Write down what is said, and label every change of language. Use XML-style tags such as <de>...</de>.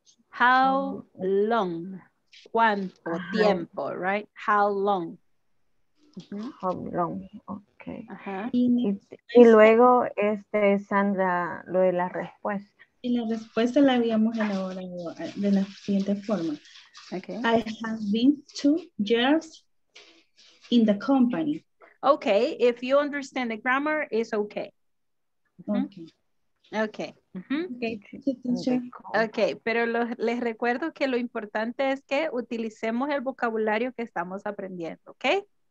<en>How long.</en> <es>¿Cuánto tiempo,</es> <en>right? How long. How long.</en> <es>Ok. Y luego, Sandra, lo de la respuesta. Y la respuesta la habíamos elaborado de la siguiente forma.</es> <en>Okay. I have been 2 years in the company. Okay, if you understand the grammar, it's okay. Mm-hmm. Okay. Mm-hmm. Okay.</en> <es>Okay, pero les recuerdo que lo importante es que utilicemos el vocabulario que estamos aprendiendo, okay?</es>